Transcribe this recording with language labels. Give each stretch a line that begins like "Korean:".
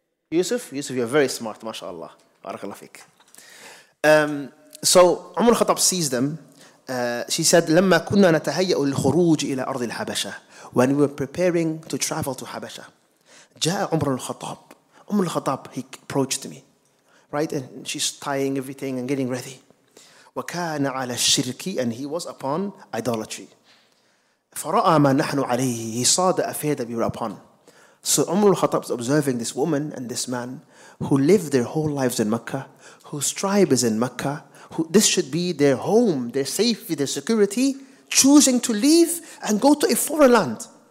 English: Yusuf, you're very smart, mashaAllah. Barakallahu fik. So Umar al-Khattab sees them. She said,
Arabic: "لما كنا نتهيأ للخروج إلى أرض الحبشة."
English: When we were preparing to travel to Habasha,
Arabic: جاء عمر الخطاب.
English: Umar al-Khattab, he approached me. Right, and she's tying everything and getting ready.
Arabic: وَكَانَ عَلَى الشِّرْكِ,
English: and he was upon idolatry.
Arabic: فَرَأَى مَا نَحْنُ عَلَيْهِ,
English: he saw the affair that we were upon. So Umar al-Khattab is observing this woman and this man who lived their whole lives in Mecca, whose tribe is in Mecca, who this should be their home, their safety, their security, choosing to leave and go to a foreign land.